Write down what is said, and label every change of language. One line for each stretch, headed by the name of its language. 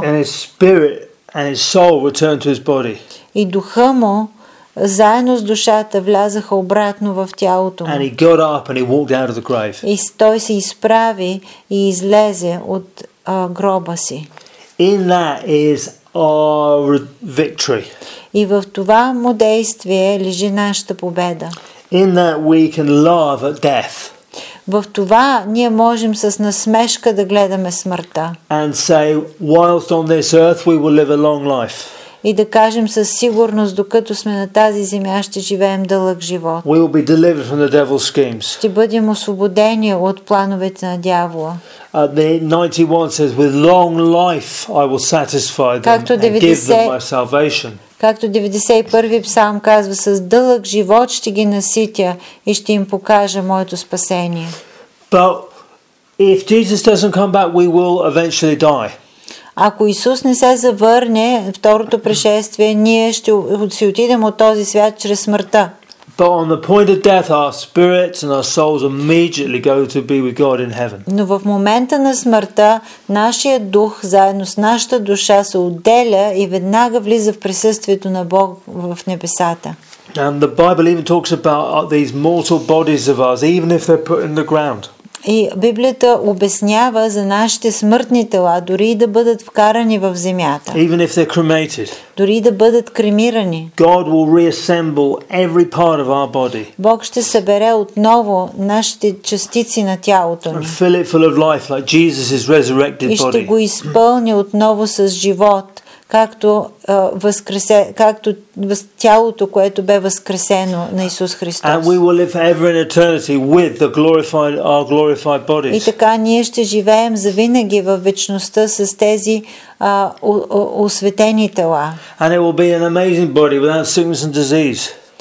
English: And his spirit and his soul returned to his body.
Bulgarian: И духа му заедно с душата влязаха обратно в тялото му.
English: And he got up and he walked out of the grave.
Bulgarian: И той се изправи и излезе от гроба си.
English: In that is our victory.
Bulgarian: И в това му действие лежи нашата победа.
English: In that we can laugh at death.
Bulgarian: В това ние можем с насмешка да гледаме смъртта.
English: And say, whilst on this earth we will live a long life.
Bulgarian: И да кажем със сигурност, докато сме на тази земя, ще живеем дълъг живот.
English: We will be delivered from the devil's schemes.
Bulgarian: Ще бъдем освободени от плановете на дявола.
English: The 91 says, with long life I will satisfy them and give them my salvation.
Bulgarian: Както 91-ви псалм казва, с дълъг живот ще ги наситя и ще им покажа моето спасение.
English: But if Jesus doesn't come back, we will eventually die.
Bulgarian: Ако Исус не се завърне, второто пришествие, ние ще си отидем от този свят чрез смъртта.
English: But on the point of death, our spirits and our souls immediately go to be with God in heaven.
Bulgarian: Но в момента на смъртта, нашия дух заедно с нашата душа се отделя и веднага влиза в присъствието на Бог в небесата.
English: And the Bible even talks about these mortal bodies of ours, even if they're put in the ground.
Bulgarian: И Библията обяснява за нашите смъртни тела, дори и да бъдат вкарани в земята.
English: Even if they're cremated.
Bulgarian: Дори да бъдат кремирани.
English: God will reassemble every part of our body.
Bulgarian: Бог ще събере отново нашите частици на тялото ни.
English: And fill it full of life, like Jesus's resurrected body.
Bulgarian: И ще го изпълни отново с живот, както възкресе, както тялото, което бе възкресено на Исус Христос.
English: And we will live forever in eternity with the glorified, our glorified bodies.
Bulgarian: И така ние ще живеем завинаги във вечността с тези осветени тела.
English: And it will be an amazing body without sickness and disease.